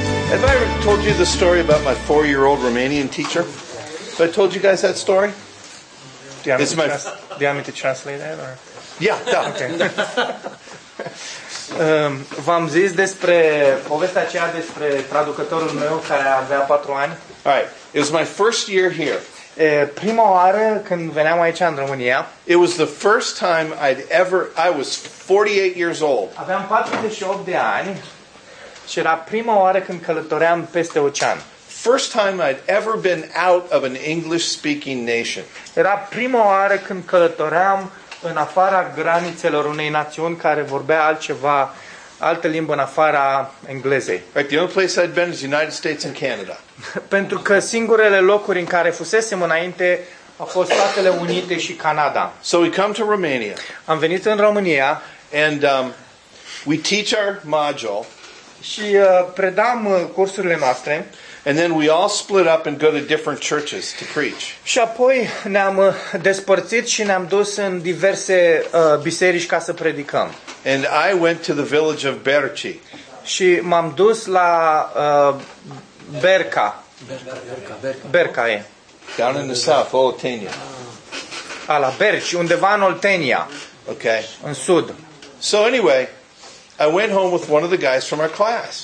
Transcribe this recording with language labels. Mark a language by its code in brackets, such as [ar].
[en] Have I ever told you the story about my four-year-old Romanian teacher? Have I told you guys that story? Do you want, do you want me to translate it? Or? Yeah, da. Okay. [ro] V-am zis despre povestea aceea despre traducătorul meu care avea 4 ani. [en] All right. It was my first year here. [ro] Prima oară când veneam aici în România. [en] It was the first time I was 48 years old. [ro] Aveam 48 de ani și era prima oară când călătoream peste ocean. [en] First time I'd ever been out of an English speaking nation. [ro] Era prima oară când călătoream în afara granițelor unei națiuni care vorbea altceva, altă limbă în afara englezei. [en] Right, the only place I'd been is the United States and Canada. [ro] Pentru că singurele locuri în care fusesem înainte au fost Statele Unite și Canada. [en] So we come to Romania. [ro] Am venit în România. [en] And we teach our module. [ro] Și predam cursurile noastre. [en] And then we all split up and go to different churches to preach. [ro] Și apoi ne-am despărțit și ne-am dus în diverse biserici ca să predicăm. [en] And I went to the village of Berci. [ro] Și m-am dus la Berca. Berca. Berca e. [en] Down in the south, Oltenia. [ro] A, la Berci, undeva în Oltenia. [en] Okay. [ro] În sud. [en] So anyway, I went home with one of the guys from our class.